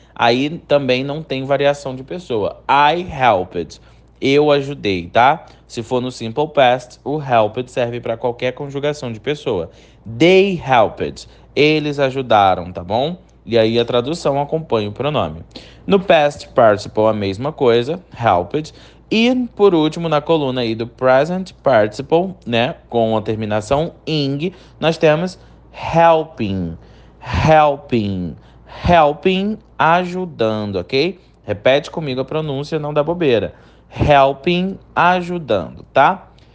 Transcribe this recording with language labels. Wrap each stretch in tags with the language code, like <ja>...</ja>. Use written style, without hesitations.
<pt>Aí também não tem variação de pessoa.</pt> <en>I helped,</en> <pt>eu ajudei, tá? Se for no simple past, o helped serve para qualquer conjugação de pessoa.</pt> <en>They helped,</en> <pt>eles ajudaram, tá bom? E aí a tradução acompanha o pronome. No past participle, a mesma coisa, helped. E por último, na coluna aí do present participle, né, com a terminação ing, nós temos helping, helping, helping, ajudando, ok? Repete comigo a pronúncia, não dá bobeira. Helping, ajudando, tá?</pt>